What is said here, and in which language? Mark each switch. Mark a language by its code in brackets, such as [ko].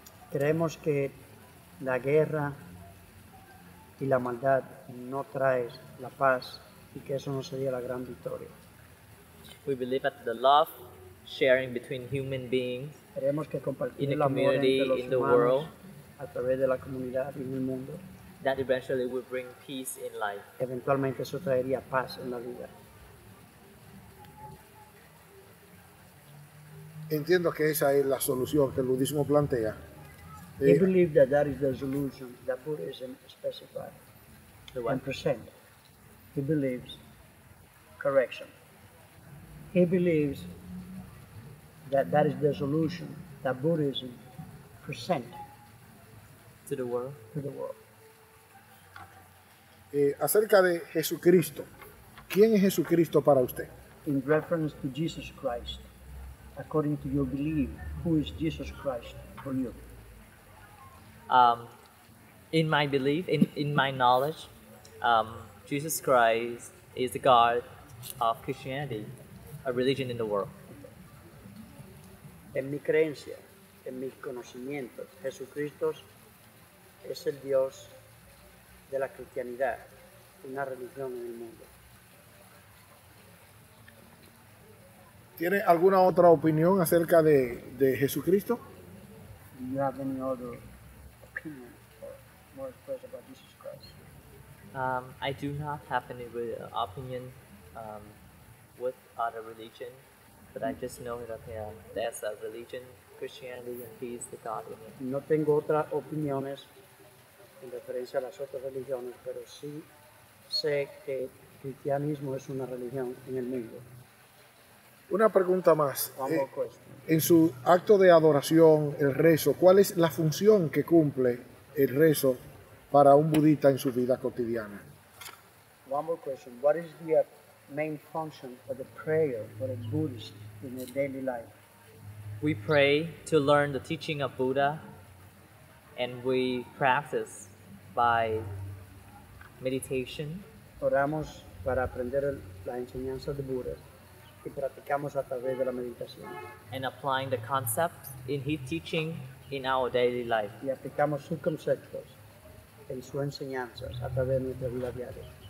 [es] Creemos que la guerra y la maldad no trae la paz y que eso no sería la gran victoria. [en] We believe that the love sharing between human beings, [es] creemos que compartir el amor entre los humanos a través de la comunidad y en el mundo, [en] that eventually will bring peace in life. [es] Eventualmente eso traería paz en la vida. Entiendo que esa es la solución que el budismo plantea. [en] I believe that that is the solution that Buddhism specifies and presents. He believes, correction, he believes that that is the solution that Buddhism presents to the world. To the world. [es] Acerca de Jesucristo, ¿quién es Jesucristo para usted? [en] In reference to Jesus Christ, according to your belief, who is Jesus Christ for you? In my belief, in my knowledge, Jesus Christ is God of Christianity, a religion in the world. [es] En mi creencia, en mis conocimientos, Jesucristo es el Dios de la cristianidad, una religión en el mundo. ¿Tiene alguna otra opinión acerca de Jesucristo? [en] Do you have any other opinion or more expressed about Jesus Christ? I do not have any opinion with other religion, but I just know that there's a religion, Christianity, and he is the God in it. [es] No tengo otras opiniones en referencia a las otras religiones, pero sí sé que el cristianismo es una religión en el mundo. Una pregunta más. En su acto de adoración, el rezo, ¿cuál es la función que cumple el rezo para un budista en su vida cotidiana? [en] One more question. What is the main function of the prayer for a Buddhist in their daily life? We pray to learn the teaching of Buddha, and we practice by meditation. [es] Oramos para aprender la enseñanza de Buddha. Y practicamos a través de la meditación. [en] And applying the concepts in his teaching in our daily life. [es] Y aplicamos sus conceptos en sus enseñanzas a través de nuestra vida diaria.